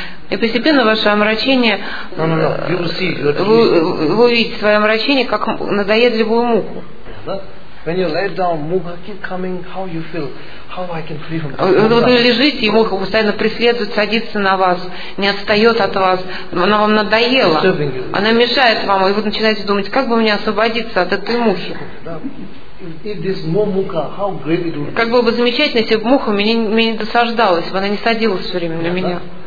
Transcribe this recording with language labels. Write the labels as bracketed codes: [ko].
[ru] И постепенно ваше омрачение, вы увидите свое омрачение как надоедливую муху. [en] When you lay down, муха keep coming. How you feel? How I can free from [ru] муха? Вы лежите, и муха постоянно преследует, садится на вас, не отстает от вас. Она вам надоела. Она мешает вам, и вы начинаете думать, как бы мне освободиться от этой мухи. Как было бы замечательно, если бы муха меня не досаждалась, бы она не садилась все время на меня.